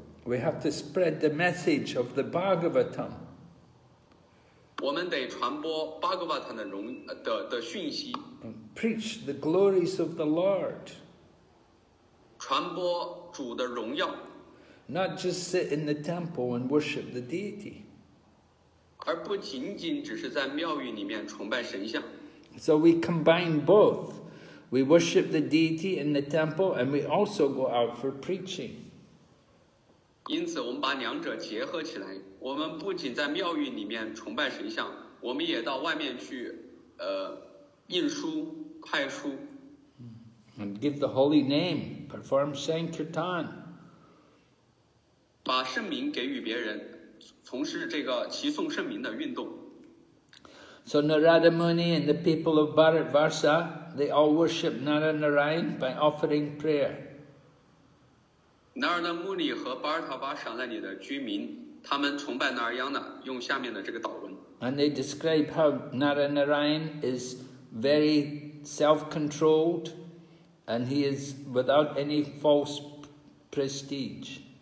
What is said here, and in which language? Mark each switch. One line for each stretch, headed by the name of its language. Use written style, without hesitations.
English: We have to spread the message of the Bhagavatam.
Chinese: 我们得传播 Bhagavatam 的讯息。
English: Preach the glories of the Lord.
Chinese: 传播主的荣耀。
English: Not just sit in the temple and worship the deity.
Chinese: 而不仅仅只是在庙宇里面崇拜神像。
English: So we combine both. We worship the deity in the temple, and we also go out for preaching.
Chinese: 因此我们把两者结合起来，我们不仅在庙宇里面崇拜神像，我们也到外面去印书派书。
English: And give the holy name, perform Sankirtan.
Chinese: 把圣名给予别人，从事这个齐颂圣名的运动。
English: So Narada Muni and the people of Bharatvarsha, they all worship Naranarayan by offering prayer.
Chinese: Narada Muni 和 Bharatvarsha 那里的居民，他们崇拜 Narayana， 用下面的这个祷文。
English: And they describe how Naranarayan is very self-controlled, and he is without any false prestige.